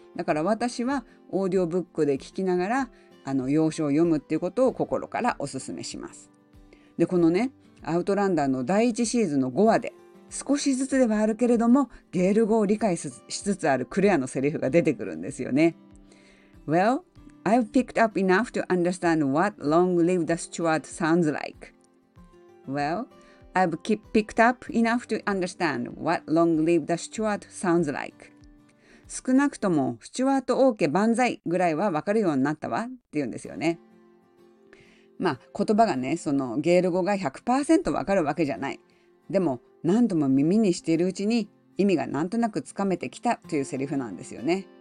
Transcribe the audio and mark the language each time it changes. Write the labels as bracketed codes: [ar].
[ja] だから私はオーディオブックで聞きながら要書を読むっていうことを心からお勧めします。で、このねアウトランダーの第1シーズンの5話で、少しずつではあるけれども、ゲール語を理解しつつあるクレアのセリフが出てくるんですよね。 [en] Well, I've picked up enough to understand what long live the steward sounds like. Well, I've picked up enough to understand what long live the steward sounds like. [ja] 少なくとも、スチュワート王家万歳ぐらいはわかるようになったわって言うんですよね。まあ、言葉がね、そのゲール語が 100% わかるわけじゃない。でも、何度も耳にしているうちに意味がなんとなくつかめてきたというセリフなんですよね。